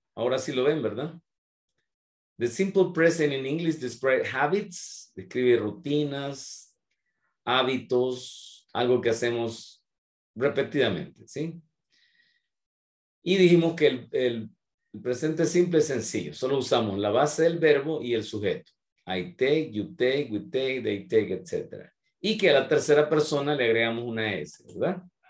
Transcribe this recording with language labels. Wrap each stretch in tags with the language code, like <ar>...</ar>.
<es>Ahora sí lo ven, ¿verdad?</es> <en>The simple present in English describes habits, describe</en> <es>rutinas, hábitos, algo que hacemos repetidamente, ¿sí? Y dijimos que el presente simple es sencillo, solo usamos la base del verbo y el sujeto.</es> <en>I take, you take, we take, they take, etc.</en> <es>Y que a la tercera persona le agregamos una S, ¿verdad?</es>